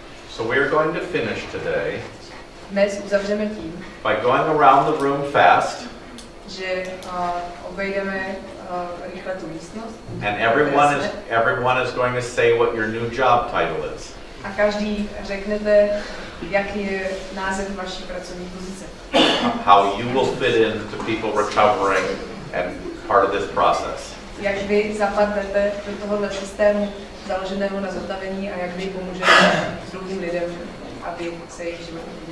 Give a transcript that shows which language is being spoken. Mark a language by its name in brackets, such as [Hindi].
[English] So we're going to finish today. [Czech] dnes uzavřeme tím, [English] by going around the room fast, [Czech] že obejdeme rychle tu místnost. [English] And everyone is going to say what your new job title is. [Czech] A každý řeknete, jaký je název vaší pracovní pozice. [English] How you will fit in to people recovering and part of this process. [Czech] Jak vy zapadnete do tohohle systému založeného na zotavení a jak vy pomůžete druhým lidem, aby se jejich životní